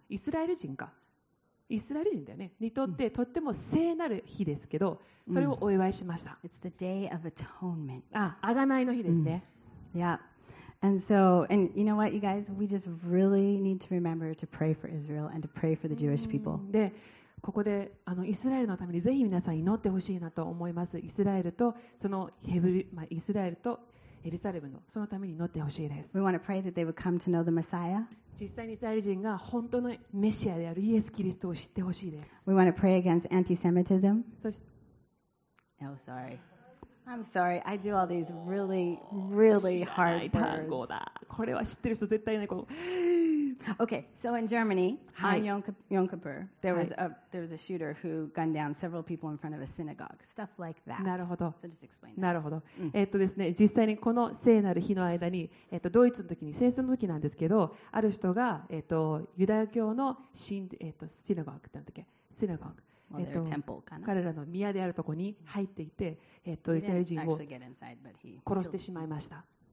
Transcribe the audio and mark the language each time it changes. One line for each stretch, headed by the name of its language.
Japanese: イスラエル人か、イスラエル人だよね、にとってとっても聖なる日ですけど、それをお祝いしました。
English: It's the day of atonement.
Japanese: あ、贖いの日ですね。
English: Yeah. And so, and you know what, you guys, we just really need to remember to pray for Israel and to pray for the Jewish people.
Japanese: で、ここでイスラエルのためにぜひ皆さん祈ってほしいなと思います。イスラエルとそのヘブル、まあ、イスラエルとエルサレムのそのために祈ってほしいです。
English: We want to pray that they would come to know the Messiah.
Japanese: 実際にイスラエル人が本当のメシアであるイエス・キリストを知ってほしいです。
English: We want to pray against anti-Semitism. Oh, sorry. I'm sorry. I do all these really, really hard words.
Japanese: これは知ってる人絶対ね。
English: Okay. So in Germany, on Yom Kippur, there was a shooter who gunned down several people in front of a synagogue. Stuff like that.
Japanese: なるほど。
English: So just explain.
Japanese: なるほど。ですね、実際にこの聖なる日の間に、ドイツの時に戦争の時なんですけど、ある人がユダヤ教の神シナガーグなんだっけ、シナガーグ。彼らの宮であるところに入っていて、イスラエル人を殺してしまいました。